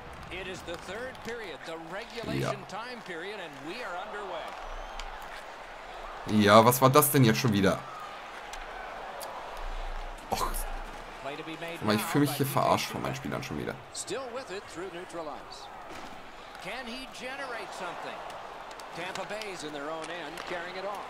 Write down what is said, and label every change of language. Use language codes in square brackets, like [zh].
[en] It is the third period, the regulation time period, and we are underway. [de] Ja, was war das denn jetzt schon wieder? Och. Ich fühle mich hier verarscht von meinen Spielern schon wieder. [en] Still with it through neutral lines. Can he generate something? Tampa Bay's in their own end, carrying it off.